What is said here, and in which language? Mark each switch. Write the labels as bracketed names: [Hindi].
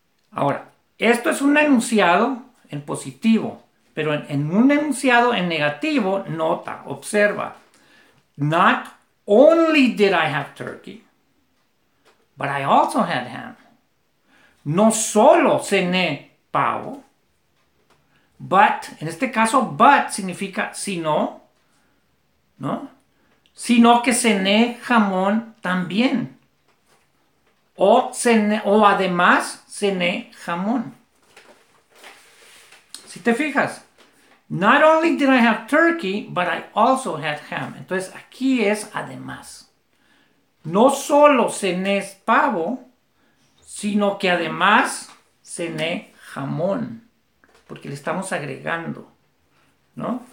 [Spanish] Ahora, esto es un enunciado en positivo, pero en un enunciado en negativo, nota, observa. [English] Not only did I have turkey, but I also had ham. [Spanish] No solo cené pavo, but, en este caso, but significa si no, ¿no? Sino que cené jamón también. O además cené jamón. Si te fijas, [English] not only did I have turkey, but I also had ham. [Spanish] Entonces, aquí es además. No solo cené pavo, sino que además cené jamón, porque le estamos agregando, ¿no?